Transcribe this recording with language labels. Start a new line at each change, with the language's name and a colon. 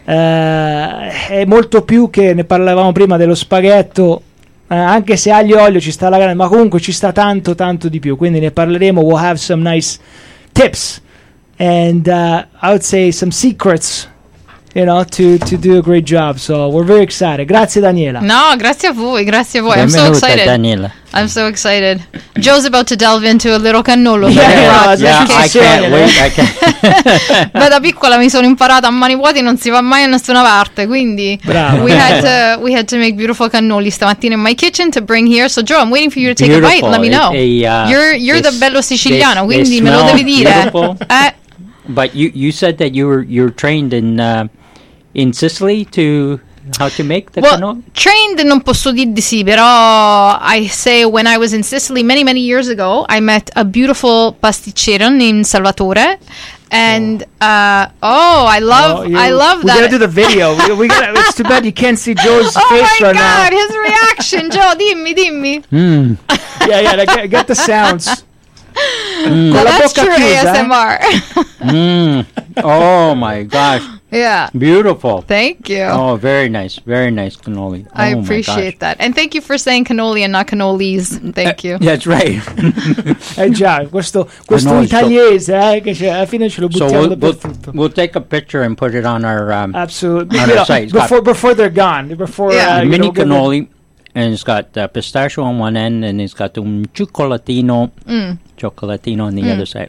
Italian: È molto più che ne parlavamo prima dello spaghetto. Anche se aglio e olio ci sta la grande, ma comunque ci sta tanto, tanto di più. Quindi ne parleremo.
English: We'll have some nice tips. And I would say some secrets, you know, to do a great job. So we're very excited.
Italian: Grazie, Daniela. No, grazie a voi. Grazie a voi.
English: I'm so excited. Daniela. I'm so excited. Joe's about to delve into a little cannolo. Yeah, I can't wait.
Italian: Ma da piccola mi sono imparata a mani vuote, non si va mai a nessuna parte, quindi bravo.
English: We had to make beautiful cannoli stamattina in my kitchen to bring here. So Joe, I'm waiting for you to take beautiful. A bite. Let me know. You're the bello siciliano,
Italian: quindi me lo devi dire.
English: But you said that you're trained in Sicily to how to make the cannoli? Trained
Italian: non posso dire di sì, però
English: I say when I was in Sicily many, many years ago, I met a beautiful pasticcero named Salvatore. And I love that. We gotta do the video. It's too bad you can't see Joe's face right now. Oh my god, his reaction.
Italian: Joe, dimmi.
English: Mm. Yeah, get the sounds. Mm. Well, that's true ASMR. Mm. Oh my gosh. Yeah. Beautiful. Thank you. Oh, very nice. Very nice cannoli. I appreciate that. And thank you for saying cannoli and not cannolis. Thank you. That's right.
Italian: questo italiese, che alla fine ce lo buttiamo dappertutto.
English: We'll take a picture and put it on our absolutely on our site. Before they're gone. Before yeah. Mini cannoli. And it's got pistachio on one end, and it's got chocolatino on the other side.